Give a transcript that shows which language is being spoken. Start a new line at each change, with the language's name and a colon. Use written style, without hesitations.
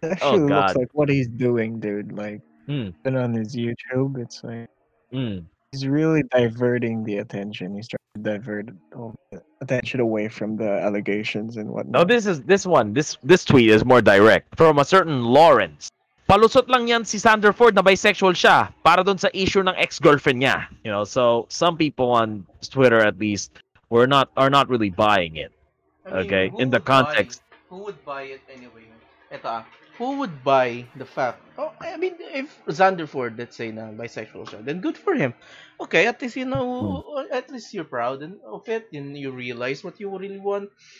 English: That actually looks like what he's doing, dude. Like, and on his YouTube, it's like... He's really diverting the attention. He's trying to divert all the attention away from the allegations and whatnot. No, this is this one. This tweet is more direct. From a certain Lawrence.
Filipino: Palusot lang yan si Xander Ford na bisexual siya para dun sa issue ng ex-girlfriend niya.
English: You know, so some people on Twitter at least are not really buying it. Okay, in the context. Who would buy it anyway? Ito, who would buy the fact? Oh, I mean, if Xander Ford, let's say,
Filipino: na bisexual siya,
English: then good for him. Okay, at least you know, at least you're proud of it, and you realize what you really want.